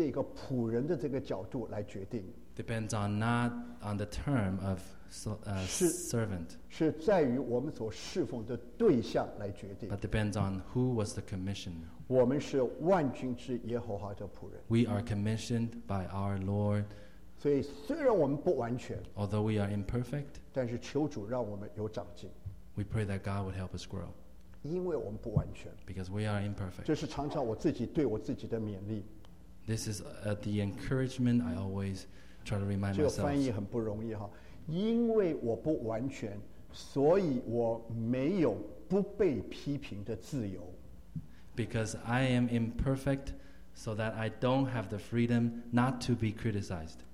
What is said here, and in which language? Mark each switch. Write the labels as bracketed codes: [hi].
[zh] 不是从我们的这个仆人的这个角度来决定, [en] depends on not on the term of servant, [zh] 是在于我们所侍奉的对象来决定, [en] but depends on who was the commissioner. [zh] 我们是万军之耶和华的仆人, [en] we are commissioned by our Lord. [zh] 所以虽然我们不完全, [en] although we are imperfect, [zh] 但是求主让我们有长进, [en] we pray that God would help us grow. [zh] 因为我们不完全, [en] because we are imperfect. [zh] 这是常常我自己对我自己的勉励, [en] this is the encouragement I always try to remind myself. [zh] 这个翻译很不容易哈, 因为我不完全, 所以我没有不被批评的自由。 [en] Because I am imperfect, so that I don't have the freedom not to be criticized.